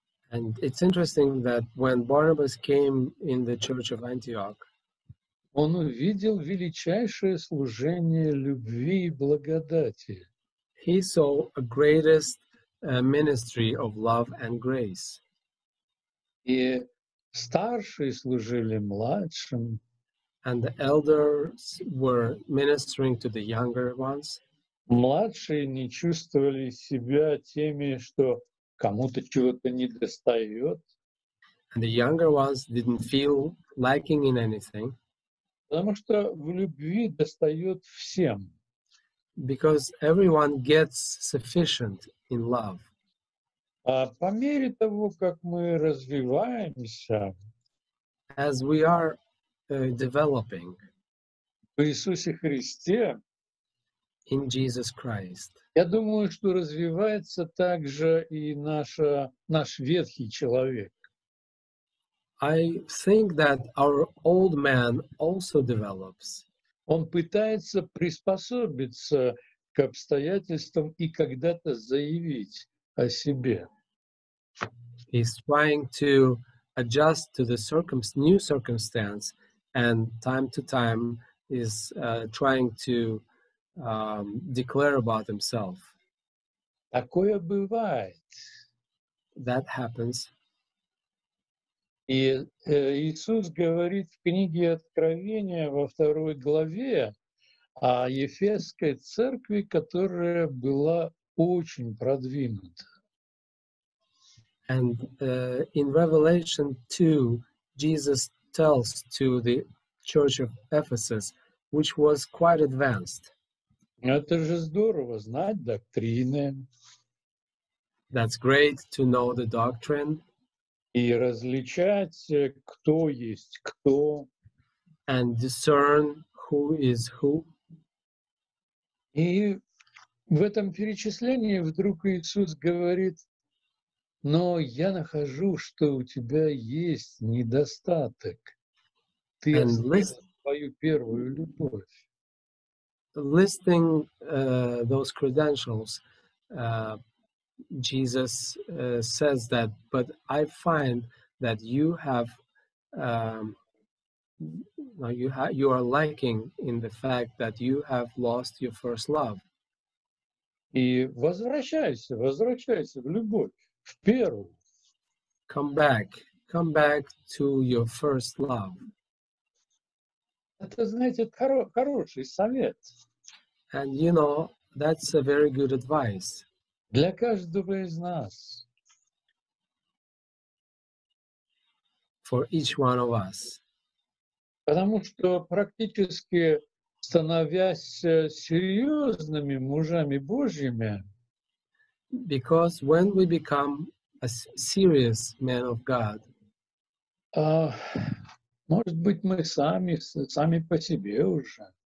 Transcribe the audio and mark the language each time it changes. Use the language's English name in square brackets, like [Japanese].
[English] And it's interesting that when Barnabas came in the church of Antioch, [Russian] он увидел величайшее служение любви и благодати. [English] He saw a greatest ministry of love and grace. [Russian] И старшие служили младшим. [English] And the elders were ministering to the younger ones. [Russian] Младшие не чувствовали себя теми, что кому-то чего-то не достает. [English] And the younger ones didn't feel lacking in anything. [Russian] Потому что в любви достает всем. [English] Because everyone gets sufficient in love. [Russian] А по мере того, как мы развиваемся, [English] as we are developing, [Russian] в Иисусе Христе, [English] in Jesus Christ, [Russian] я думаю, что развивается также и наш ветхий человек. [English] I think that our old man also develops. [Russian] Он пытается приспособиться к обстоятельствам и когда-то заявить о себе. [English] He's trying to adjust to the new circumstance and time to time is trying to declare about himself. [Russian] Такое бывает. [English] That happens. [Russian] И Иисус говорит в книге Откровения во второй главе о Ефесской церкви, которая была очень продвинута. [English] And in Revelation 2, Jesus tells to the church of Ephesus, which was quite advanced. [Russian] Это же здорово знать доктрины. [English] That's great to know the doctrine. [Russian] И различать, кто есть кто. [English] And discern who is who. [Russian] И в этом перечислении вдруг Иисус говорит, но я нахожу, что у тебя есть недостаток. Ты оставил твою первую любовь. [English] Listing those credentials, Jesus says that, but I find that you are lacking in the fact that you have lost your first love. [Russian] И возвращайся в любовь, в первую. [English] Come back to your first love. [Russian] Это, знаете, хороший совет. [English] And you know, that's a very good advice. [Russian] Для каждого из нас. [English] For each one of us. [Russian] Потому что практически становясь серьезными мужами Божьими, [English] because when we become a serious man of God, [Russian] может быть, мы сами по себе уже.